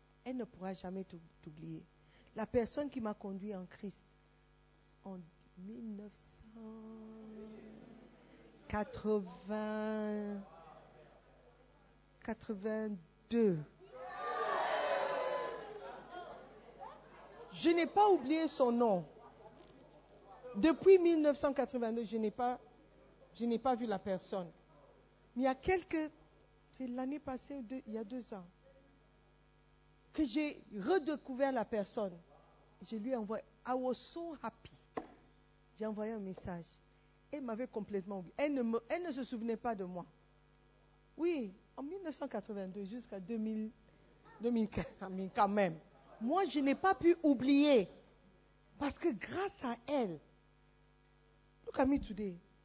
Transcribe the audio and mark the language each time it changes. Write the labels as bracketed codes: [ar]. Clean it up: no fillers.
[fr] Elle ne pourra jamais t'oublier. La personne qui m'a conduit en Christ en 1982, je n'ai pas oublié son nom. Depuis 1982, je n'ai pas vu la personne. Mais il y a c'est l'année passée, il y a deux ans, que j'ai redécouvert la personne. Je lui ai envoyé, [en] I was so happy. [fr] J'ai envoyé un message. Elle m'avait complètement oublié. Elle ne se souvenait pas de moi. Oui, en 1982 jusqu'à 2015, quand même. Moi, je n'ai pas pu oublier. Parce que grâce à elle, [en] look at me today.